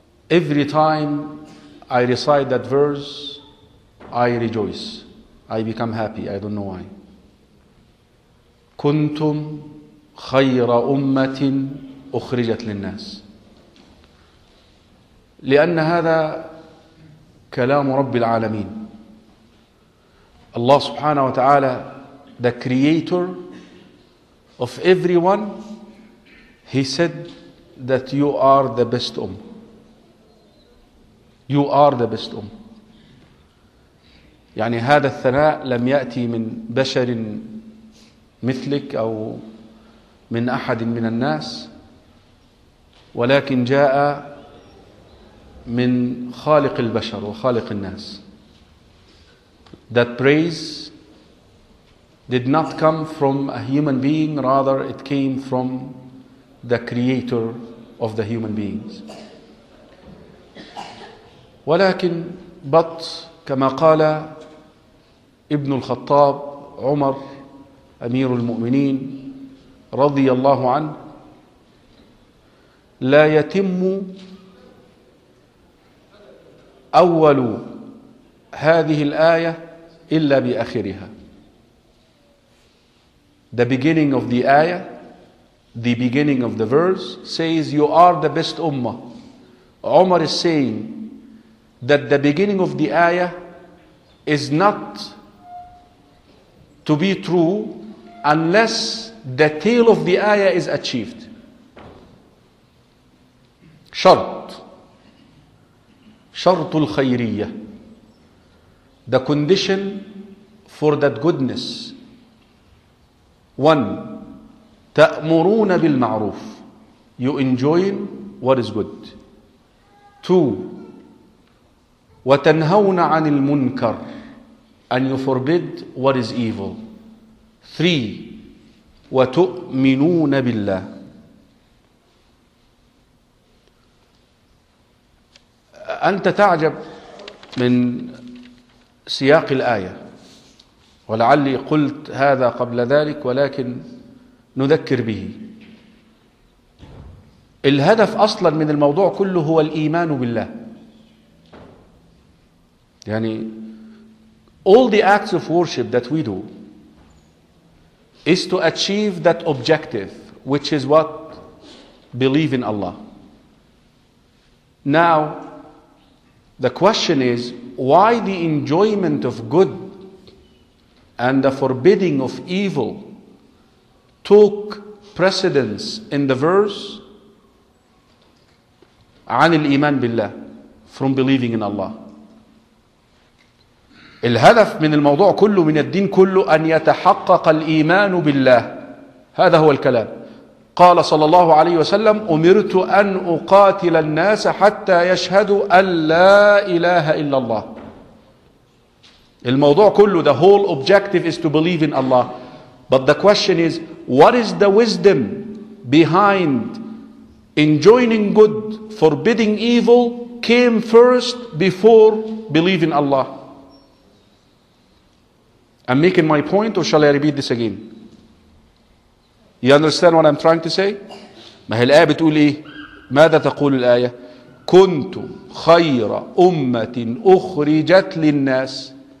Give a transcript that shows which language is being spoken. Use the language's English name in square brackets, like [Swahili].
[English] Every time I recite that verse, I rejoice. I become happy. I don't know why. [Arabic] كنتم خير أمة أخرجت للناس، لأن هذا كلام رب العالمين. الله سبحانه وتعالى [English] the creator of everyone, he said that you are the best ummah. You are the best ummah. [Arabic] يعني هذا الثناء لم يأتي من بشر مثلك أو من أحد من الناس، ولكن جاء من خالق البشر وخالق الناس. [English] That praise did not come from a human being, rather it came from the creator of the human beings. [Arabic] ولكن بط كما قال ابن الخطاب عمر أمير المؤمنين رضي الله عنه لا يتم أول هذه الآية إلا بآخرها. [English] The beginning of the ayah, the beginning of the verse says you are the best ummah. Umar is saying that the beginning of the ayah is not to be true unless the tail of the ayah is achieved. [Arabic] شرط الخيرية. [English] The condition for that goodness. [Arabic] One, تأمرون بالمعروف. [English] You enjoin what is good. [Arabic] Two, وتنهون عن المنكر. [English] And you forbid what is evil. [Arabic] Three, وتؤمنون بالله. أنت تعجب من سياق الآية، ولعلي قلت هذا قبل ذلك ولكن نذكر به. الهدف أصلا من الموضوع كله هو الإيمان بالله. [English] يعني all the acts of worship that we do is to achieve that objective, which is what? Believe in Allah. Now the question is, why the enjoyment of good and the forbidding of evil took precedence in the verse [Arabic] عن الإيمان بالله, [English] from believing in Allah. [Arabic] الهدف من الموضوع كله, من الدين كله, أن يتحقق الإيمان بالله. هذا هو الكلام. قال صلى الله عليه وسلم, أمرت أن أقاتل الناس حتى يشهدوا أن لا إله إلا الله. الموضوع كله, [English] the whole objective is to believe in Allah. But the question is, what is the wisdom behind enjoining good, forbidding evil, came first before believing Allah? I'm making my point, or shall I repeat this again? You understand what I'm trying to say? [Arabic] ما هي الآية بتقول إيه؟ ماذا تقول الآية؟ كنت خير أمة أخرجت للناس.